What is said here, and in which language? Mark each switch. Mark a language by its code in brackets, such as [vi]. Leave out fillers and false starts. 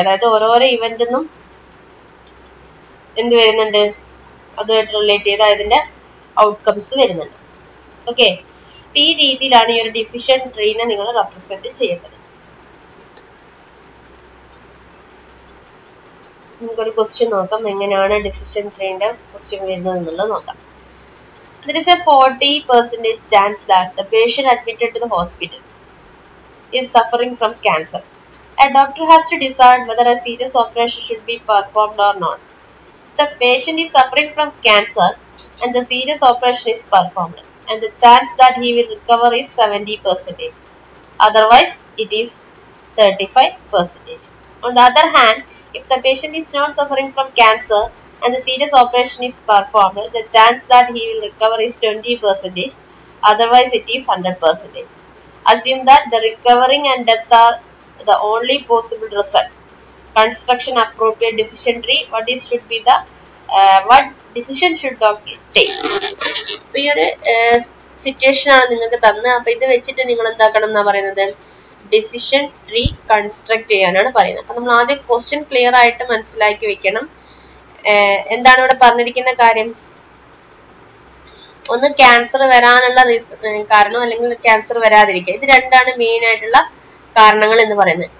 [ml] അതായത് ഓരോരോ ഇവന്റിനും എന്ത് വരുന്നുണ്ട്, അതുമായിട്ട് റിലേറ്റ് ചെയ്ത് അതിന്റെ ഔട്ട്കംസ് വരുന്നുണ്ട്. ഓക്കെ, അപ്പൊ ഈ രീതിയിലാണ് ഈ ഒരു ഡിസിഷൻ ട്രീനെ നിങ്ങൾ റെപ്രസെന്റ് ചെയ്യേണ്ടത്. നമുക്കൊരു ക്വസ്റ്റ്യൻ നോക്കാം, എങ്ങനെയാണ് ഡിസിഷൻ ട്രീന്റെ ക്വസ്റ്റ്യൻ വരുന്നത് എന്നുള്ളത് നോക്കാം. [en] There is a 40% chance that the patient admitted to the hospital is suffering from cancer. A doctor has to decide whether a serious operation should be performed or not. If the patient is suffering from cancer and the serious operation is performed, and the chance that he will recover is 70%. Otherwise, it is 35%. On the other hand, if the patient is not suffering from cancer and the serious operation is performed, the chance that he will recover is 20%, otherwise it is 100%. Assume that the recovering and death are the only possible result. Construction appropriate decision tree, what is should be the what decision should doctor take? [ml] ഈ ഒരു situation ആണ് നിങ്ങൾക്ക് തന്നെ. അപ്പൊ ഇത് വെച്ചിട്ട് നിങ്ങൾ എന്താക്കണം എന്നാ പറയുന്നത്, ഡിസിഷൻ ട്രീ കൺസ്ട്രക്ട് ചെയ്യാനാണ് പറയുന്നത്. അപ്പൊ നമ്മൾ ആദ്യം ക്വസ്റ്റ്യൻ ക്ലിയർ ആയിട്ട് മനസ്സിലാക്കി വെക്കണം. എന്താണ് ഇവിടെ പറഞ്ഞിരിക്കുന്ന കാര്യം, ഒന്ന് ക്യാൻസർ വരാനുള്ള കാരണം അല്ലെങ്കിൽ ക്യാൻസർ വരാതിരിക്കുക, ഇത് രണ്ടാണ് മെയിൻ ആയിട്ടുള്ള കാരണങ്ങൾ എന്ന് പറയുന്നത്.